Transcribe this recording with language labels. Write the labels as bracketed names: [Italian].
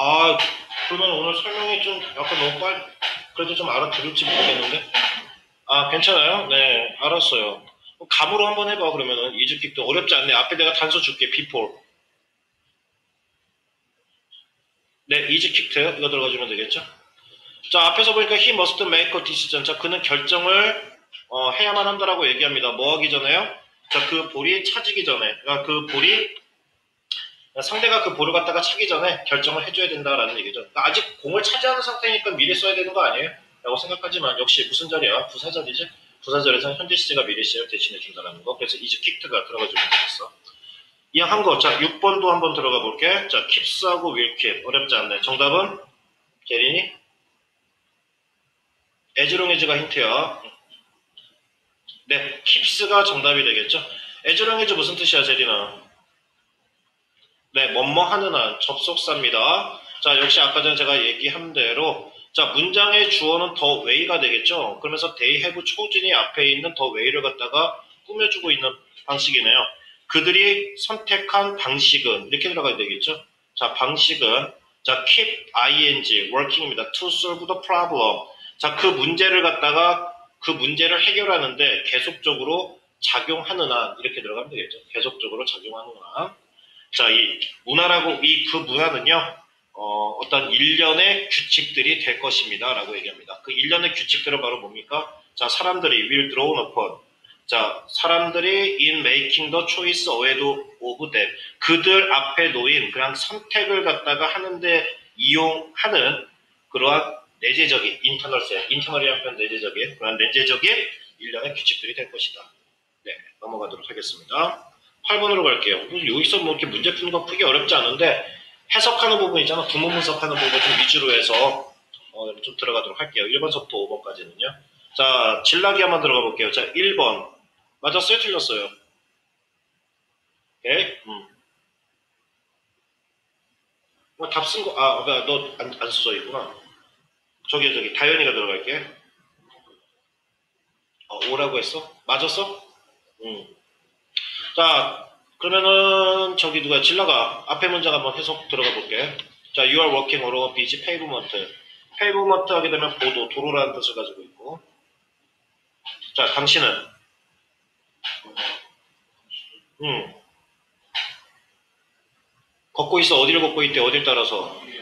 [Korean] 아, 그러면 오늘 설명이 좀 약간 너무 빨리, 그래도 좀 알아들을지 모르겠는데? 아, 괜찮아요? 네, 알았어요. 감으로 한번 해봐, 그러면은. [English] Is kicked. [Korean] 어렵지 않네. 앞에 내가 단서 줄게. Before. 네, 이즈킥트요. 이거 들어가주면 되겠죠. 자, 앞에서 보니까 [English] he must make a decision. [Korean] 자, 그는 결정을 해야만 한다라고 얘기합니다. 뭐 하기 전에요? 자, 그 볼이 차지기 전에, 그러니까 그 볼이 상대가 그 볼을 갖다가 차기 전에 결정을 해줘야 된다라는 얘기죠. 그러니까 아직 공을 차지하는 상태니까 미리 써야 되는 거 아니에요? 라고 생각하지만 역시 무슨 자리야? 부사자리지? 부사자리에서는 현재 시제가 미리 시제를 대신해 준다라는 거. 그래서 이즈킥트가 들어가주면 되겠어. 이왕 한 거, 자, 6번도 한번 들어가 볼게. [English] 자, keeps 하고 will keep. [Korean] 어렵지 않네. 정답은? 제린이? [English] as long as가 힌트야. [Korean] 네, keeps가 정답이 되겠죠. [English] as long as [Korean] 무슨 뜻이야, 제린아? 네, 뭐뭐 하는 한, 접속사입니다. 자, 역시 아까 전에 제가 얘기한 대로. 자, 문장의 주어는 the way가 되겠죠. 그러면서 they have 초진이 앞에 있는 the way를 갖다가 꾸며주고 있는 방식이네요. 그들이 선택한 방식은, 이렇게 들어가야 되겠죠? 자, 방식은, 자, keep ing, working입니다. [English] to solve the problem. [Korean] 자, 그 문제를 갖다가, 그 문제를 해결하는데 계속적으로 작용하느나, 이렇게 들어가면 되겠죠? 계속적으로 작용하느나. 자, 이 문화라고, 이 그 문화는요, 어떤 일련의 규칙들이 될 것입니다. 라고 얘기합니다. 그 일련의 규칙들은 바로 뭡니까? 자, 사람들이 [English] will drawn upon. 자, 사람들이 in making the choice ahead of them. [Korean] 그들 앞에 놓인 그냥 선택을 갖다가 하는데 이용하는 그러한 내재적인, 인터널스에요. 인터널이 한편 내재적인, 그러한 내재적인 일련의 규칙들이 될 것이다. 네, 넘어가도록 하겠습니다. 8번으로 갈게요. 여기서 뭐 이렇게 문제 푸는 건 크게 어렵지 않은데 해석하는 부분이잖아. 부모 분석하는 부분을 좀 위주로 해서 좀 들어가도록 할게요. 1번서부터 5번까지는요. 자, 질나기 한번 들어가 볼게요. 자, 1번. 맞았어요? 틀렸어요? 오케이? 뭐, 답 쓴 거, 아, 너 안 써 있구나. 저기, 다현이가 들어갈게. 5라고 했어? 맞았어? 자, 그러면은 저기 누가 질러가 앞에 문장 한번 해석 들어가 볼게. [English] 자, you are walking over a busy pavement. [Korean] pavement 하게 되면 보도, 도로라는 뜻을 가지고 있고. 자, 당신은? 걷고 있어. 어디를 걷고 있대? 어딜 따라서?